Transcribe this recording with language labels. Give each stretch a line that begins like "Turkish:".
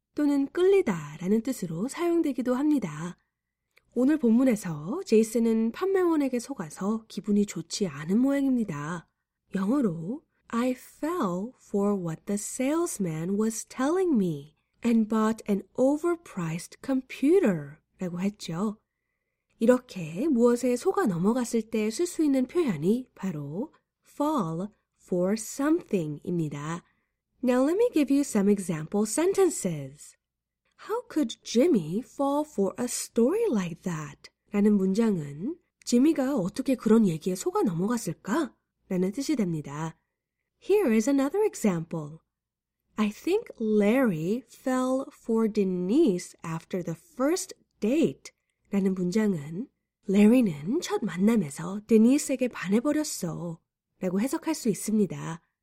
Korean: 또는 끌리다 라는 뜻으로 사용되기도 합니다. 오늘 본문에서 제이슨은 판매원에게 속아서 기분이 좋지 않은 모양입니다. 영어로
English: I fell for what the salesman was telling me and bought an overpriced computer
Korean: 라고 했죠. 이렇게 무엇에 속아 넘어갔을 때 쓸 수 있는 표현이 바로 fall for something입니다.
English: Now let me give you some example sentences. How could Jimmy fall for a story like that?
Korean: 라는 문장은 지미가 어떻게 그런 얘기에 속아 넘어갔을까? 라는 뜻이 됩니다.
English: Here is another example. I think Larry fell for Denise after the first date.
Korean: 라는 문장은 Larry는 첫 만남에서 Denise에게 반해버렸어 라고 해석할 수 있습니다.